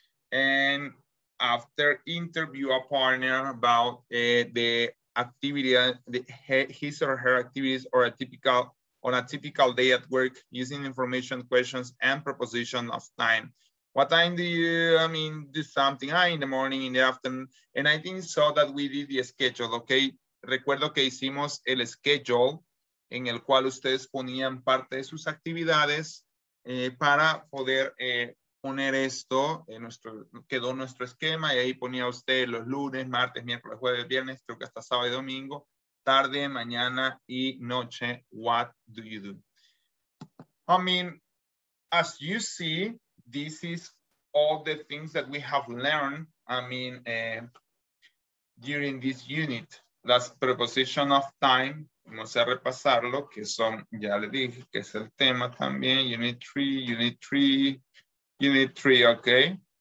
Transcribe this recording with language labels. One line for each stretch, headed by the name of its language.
English: And after interview a partner about the activity, his or her activities or a typical day at work using information questions and preposition of time. What time do you, I mean, do something? Hi, in the morning, in the afternoon. And I think so that we did the schedule, okay?
Spanish: Recuerdo que hicimos el schedule en el cual ustedes ponían parte de sus actividades para poder poner esto. Quedó nuestro esquema y ahí ponía usted los lunes, martes, miércoles, jueves, viernes, creo que hasta sábado y domingo, tarde, mañana y noche.
English: What do you do? I mean, as you see, this is all the things that we have learned, I mean, during this unit.
Spanish: Las
English: preposition of time,
Spanish: vamos a repasarlo, que son, ya le dije, que es el tema también, unit three, okay?